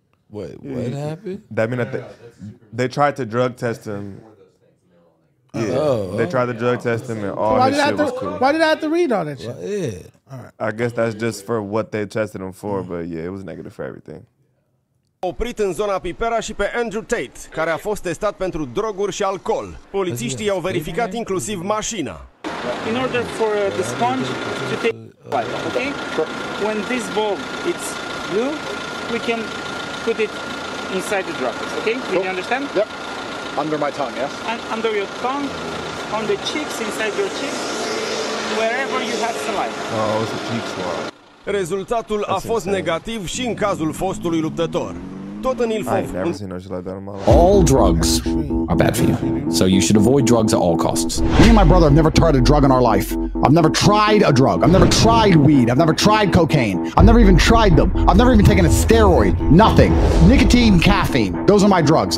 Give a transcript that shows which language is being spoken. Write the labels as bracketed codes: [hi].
[en] What happened? That mean that they tried to drug test him. Yeah. They tried to drug test him and all this shit was cool. Why did I have to read all that shit? Well, yeah. All right. I guess that's just for what they tested him for, but yeah, it was negative for everything. [ro] oprit în zona Pipera și pe Andrew Tate, care a fost testat pentru droguri și alcool. Polițiștii au verificat inclusiv mașina. [en] In order for the sponge to take white, okay? When this bulb it's blue, we can put it inside the droplets, okay? Do you understand? Yep. Under my tongue, yes. And under your tongue, on the cheeks, inside your cheeks, wherever you have saliva. Oh, it's the cheeks one. [ro] Rezultatul a fost negativ și în cazul fostului luptător. Tot în Ilfov. [en] All drugs are bad for you. So you should avoid drugs at all costs. Me and my brother have never tried a drug in our life. I've never tried a drug. I've never tried weed. I've never tried cocaine. I've never even tried them. I've never even taken a steroid. Nothing. Nicotine, caffeine. Those are my drugs.